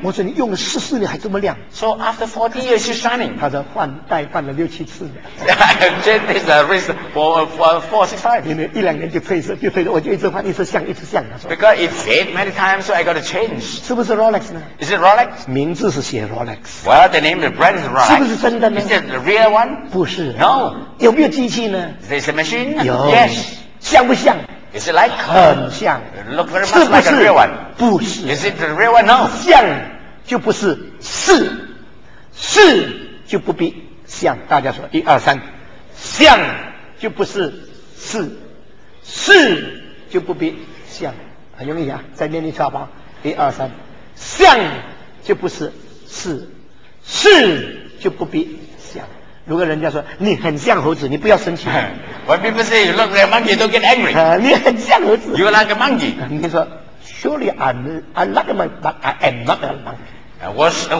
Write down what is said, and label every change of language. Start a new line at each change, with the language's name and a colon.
Chinese: 我说你用了14年还这么亮。
English: So after 14 years it's shining.
Chinese: 他说换代换了六七次。
English: This is four, six times.
Chinese: 因为一两年就褪色，就褪色，我就一直换，一直像，一直像。
English: Because it fades many times, so I got to change.
Chinese: 是不是 Rolex 呢
English: ？Is it Rolex?
Chinese: 名字是写 Rolex.
English: Well, the name, the brand is Rolex.
Chinese: 是不是真的呢
English: ？Is it the real one?
Chinese: 不是。
English: No.
Chinese: 有没有机器呢
English: ？This machine.
Chinese: Yes. 像不像
English: ？Is it like?
Chinese: 很像。
English: Look very much like a real one.
Chinese: 不是。
English: Is it the real one? No.
Chinese: 像就不是，是是就不必像。大家说一二三，像就不是，是是就不必像。很容易啊，再念一次好不好？一二三，像就不是，是是就不必像。如果人家说你很像猴子，你不要生气。
English: When people say you look like a monkey, don't get angry.
Chinese: 你很像猴子。
English: You are like a monkey.
Chinese: 你说
English: ，Surely I'm like a monkey, but I am not a monkey.